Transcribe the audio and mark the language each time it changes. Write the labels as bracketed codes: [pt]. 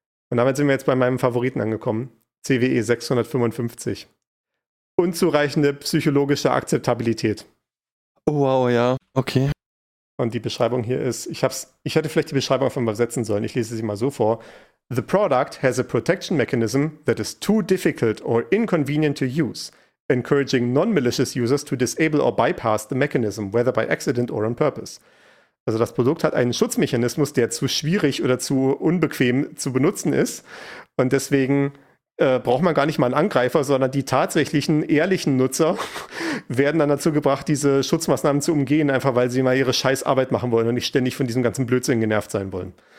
[de] Und damit sind wir jetzt bei meinem Favoriten angekommen, CVE 655. Unzureichende psychologische Akzeptabilität. Oh wow, ja, okay. Und die Beschreibung hier ist, ich hätte vielleicht die Beschreibung einfach mal übersetzen sollen, ich lese sie mal so vor. [en] The product has a protection mechanism that is too difficult or inconvenient to use, encouraging non-malicious users to disable or bypass the mechanism, whether by accident or on purpose. [de] Also das Produkt hat einen Schutzmechanismus, der zu schwierig oder zu unbequem zu benutzen ist, und deswegen braucht man gar nicht mal einen Angreifer, sondern die tatsächlichen ehrlichen Nutzer werden dann dazu gebracht, diese Schutzmaßnahmen zu umgehen, einfach weil sie mal ihre Scheißarbeit machen wollen und nicht ständig von diesem ganzen Blödsinn genervt sein wollen.